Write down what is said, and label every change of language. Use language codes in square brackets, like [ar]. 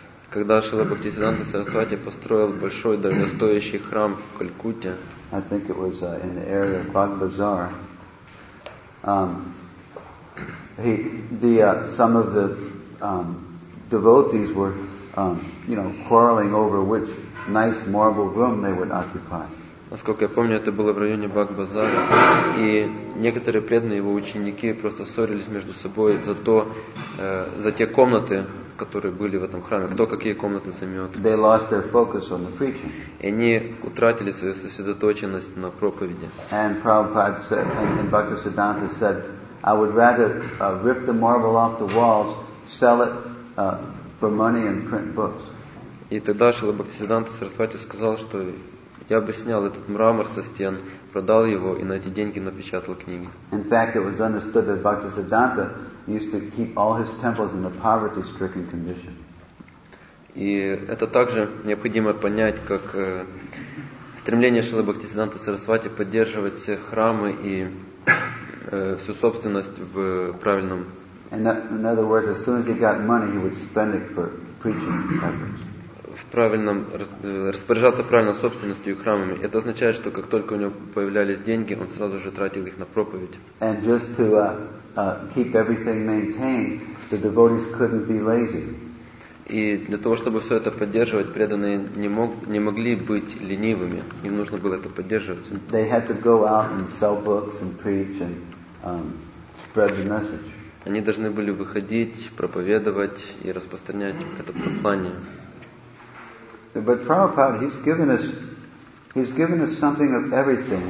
[ru] Когда Шрила Бхактисиддханта Сарасвати построил большой дорогостоящий храм в Калькутте. [en] I think it was in the area of Bagh Bazar. Some of the devotees were quarreling over which nice marble room they would occupy. [ru] Насколько я помню, это было в районе Bagh Bazar, и некоторые преданные его ученики просто ссорились между собой за то, за те комнаты, которые были в этом храме. Кто какие комнаты займет? [en] They lost their focus on the preaching. [ru] И они утратили свою сосредоточенность на проповеди. [en] And Prabhupada said, and Bhaktisiddhanta said, I would rather rip the marble off the walls, sell it for money and print books. [ru] И тогда Шрила Бхактисиддханта Сарасвати сказал, что я бы снял этот мрамор со стен, продал его и на эти деньги напечатал книги. [en] In fact, it was understood that Bhaktisiddhanta used to keep all his temples in a poverty-stricken condition. [ru] И это также необходимо понять, как стремление Шрилы Бхактисиддханта Сарасвати поддерживать храмы и всю собственность в правильном. [en] In other words, as soon as he got money, he would spend it for preaching efforts. [ru] Правильно распоряжаться правильно собственностью и храмами. Это означает, что как только у него появлялись деньги, он сразу же тратил их на проповедь. [en] And just to keep everything maintained, the devotees couldn't be lazy. [ru] И для того, чтобы все это поддерживать, преданные не могли быть ленивыми. Им нужно было это поддерживать. [en] They had to go out and sell books and preach and spread the message. [ru] Они должны были выходить, проповедовать и распространять это послание. [en] But Prabhupada, he's given us something of everything.